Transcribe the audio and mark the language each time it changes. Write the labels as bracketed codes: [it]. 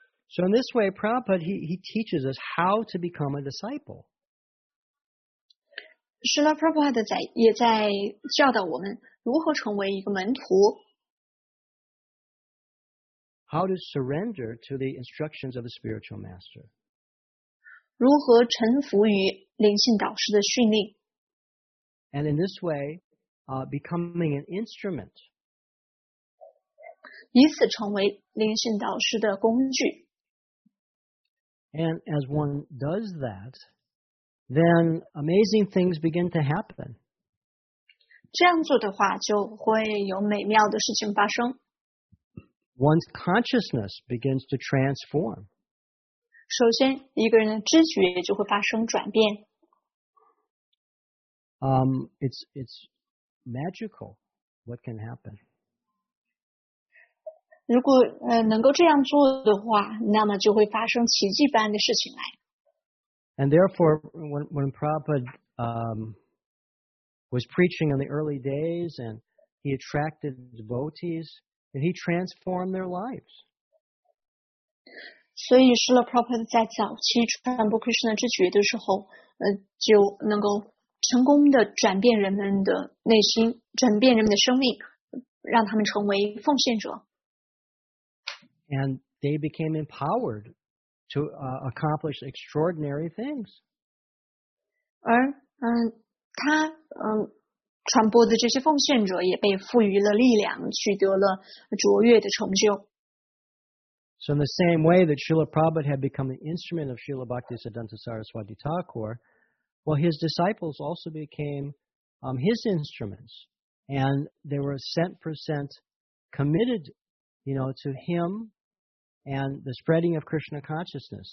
[en] So in this way Prabhupada he teaches us how to become a disciple [zh] Srila Prabhupada 也在教导我们如何成为一个门徒。 [en] How to surrender to the instructions of the spiritual master? [zh] 如何臣服于灵性导师的训令？ [en] And in this way, becoming an instrument. [zh] 以此成为灵性导师的工具。 [en] And as one does that, then amazing things begin to happen. [zh] 这样做的话，就会有美妙的事情发生。 [en] One's consciousness begins to transform. [zh] 首先，一个人的知觉就会发生转变。 [en] It's magical what can happen. [zh] 如果能够这样做的话，那么就会发生奇迹般的事情来。 [en] And therefore, when Prabhupada was preaching in the early days, and he attracted devotees. And he transformed their lives. [zh] 所以Srila Prabhupada在早期传播 Krishna 之觉的时候，就能够成功的转变人们的内心，转变人们的生命，让他们成为奉献者。 [en] And they became empowered to accomplish extraordinary things. [zh] 而他传播的这些奉献者也被赋予了力量，取得了卓越的成就。 [en] So in the same way that Srila Prabhupada had become the instrument of Srila Bhaktisiddhanta Saraswati Thakur, well, his disciples also became his instruments, and they were 100% committed, you know, to him and the spreading of Krishna consciousness.